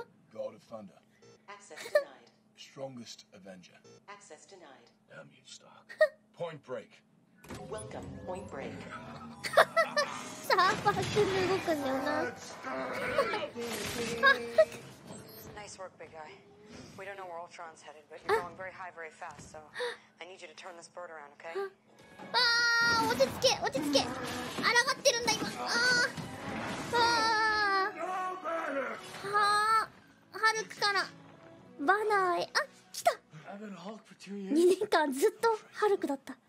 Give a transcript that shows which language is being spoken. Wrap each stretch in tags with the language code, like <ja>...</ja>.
<en>God of Thunder. Access denied. Strongest Avenger. Access denied. Damn you, Stark. Point break. Welcome, point break.</en> <ja>サーファーくん動くんだよな。</ja> <en>Nice work, big guy. We don't know where Ultron's headed, but you're going very high, very fast, so I need you to turn this bird around, okay?</en> <ja>あー、落ち着け、落ち着け。抗ってるんだ、今。あー。あー。はー。ハルクから。バナーへ。あ、来た。 2年間ずっとハルクだった。</ja>